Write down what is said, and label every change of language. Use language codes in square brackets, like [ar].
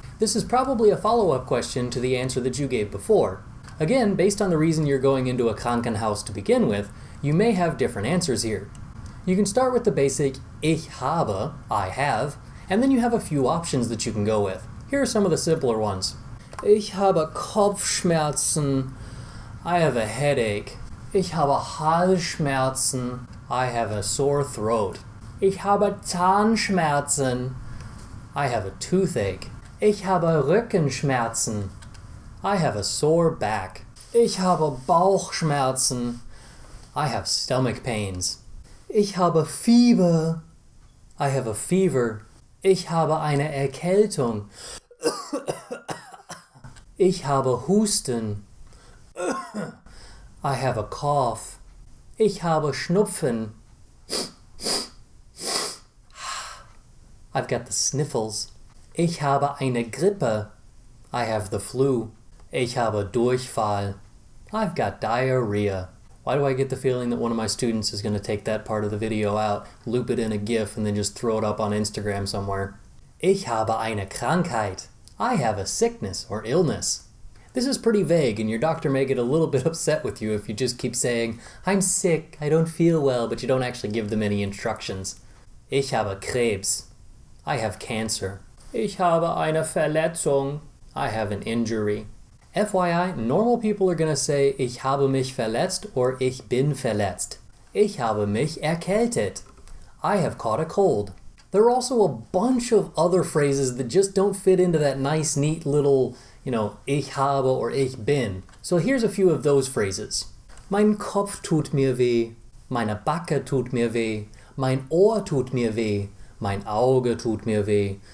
[en] This is probably a follow-up question to the answer that you gave before. Again, based on the reason you're going into a Krankenhaus to begin with, you may have different answers here. You can start with the basic, [de] Ich habe, [en] I have, and then you have a few options that you can go with. Here are some of the simpler ones. [de] Ich habe Kopfschmerzen. [en] I have a headache. [de] Ich habe Halsschmerzen. [en] I have a sore throat. [de] Ich habe Zahnschmerzen. [en] I have a toothache. [de] Ich habe Rückenschmerzen. [en] I have a sore back. [de] Ich habe Bauchschmerzen. [en] I have stomach pains. [de] Ich habe Fieber. [en] I have a fever. [de] Ich habe eine Erkältung. Ich habe Husten. [en] I have a cough. [de] Ich habe Schnupfen. [en] I've got the sniffles. [de] Ich habe eine Grippe. [en] I have the flu. [de] Ich habe Durchfall. [en] I've got diarrhea. Why do I get the feeling that one of my students is going to take that part of the video out, loop it in a GIF, and then just throw it up on Instagram somewhere? [de] Ich habe eine Krankheit. [en] I have a sickness or illness. This is pretty vague, and your doctor may get a little bit upset with you if you just keep saying, I'm sick, I don't feel well, but you don't actually give them any instructions. [de] Ich habe Krebs. [en] I have cancer. [de] Ich habe eine Verletzung. [en] I have an injury. FYI, normal people are going to say [de] Ich habe mich verletzt [en] or [de] Ich bin verletzt. Ich habe mich erkältet. [en] I have caught a cold. There are also a bunch of other phrases that just don't fit into that nice, neat little, you know, [de] Ich habe [en] or [de] Ich bin. [en] So here's a few of those phrases. [de] Mein Kopf tut mir weh. Meine Backe tut mir weh. Mein Ohr tut mir weh. Mein Auge tut mir weh.